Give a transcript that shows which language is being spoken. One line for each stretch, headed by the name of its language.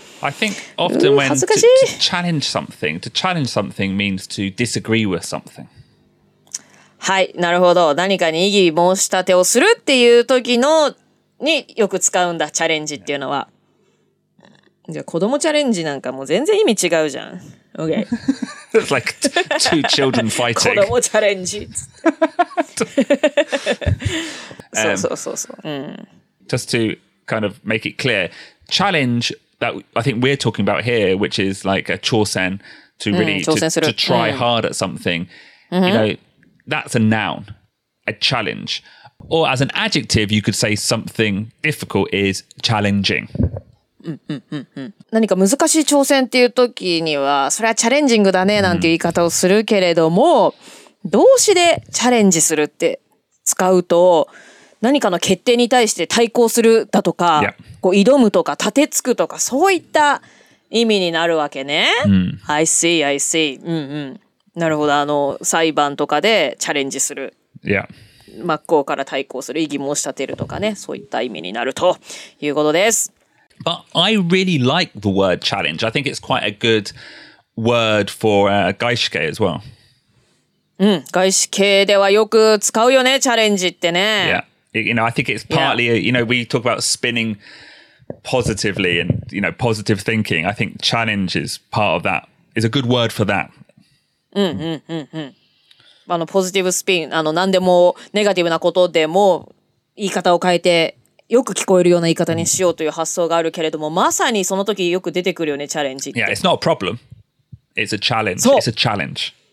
English: I think often when to challenge something means to disagree with something.
Japanese: はい、なるほど。何かに異議申し立てをするっていう時のによく使うんだ、チャレンジっていうのは。じゃあ子供チャレンジなんかもう全然意味違うじゃん。
English: OK。 It's like two children fighting.
Japanese: 子供チャレンジ。そうそうそう。
English: Just to kind of make it clear, challenge that I think we're talking about here, which is like a 挑戦 to really to try hard at something. You know, that's a noun, a challenge. Or as an adjective, you could say something difficult is challenging.
Japanese: うんうんうんうん、何か難しい挑戦っていう時にはそれはチャレンジングだねなんていう言い方をするけれども、うん、動詞でチャレンジするって使うと何かの決定に対して対抗するだとか、こう挑むとか立てつくとかそういった意味になるわけね、うん、
English: I see, I see、
Japanese: うんうん、なるほど、あの裁判とかでチャレンジする、
English: yeah.
Japanese: 真っ向から対抗する、異議申し立てるとかね、そういった意味になるということです。
English: But I really like the word challenge. I think it's quite a good word for gaishike as well.
Japanese: うん、gaishike ではよく使うよね、チャレンジってね。
English: Yeah. You know, I think it's partly, you know, we talk about spinning positively and, you know, positive thinking. I think challenge is part of that. It's a good word for that.
Japanese: うんうんうんうん。あの、ポジティブスピン、あの、何でもネガティブなことでも言い方を変えて、よく聞こえるような言い方にしようという発想があるけれども、まさにその時よく出てくるよね、チャレンジって。
English: Yeah, it's not a problem. It's a challenge. It's a challenge.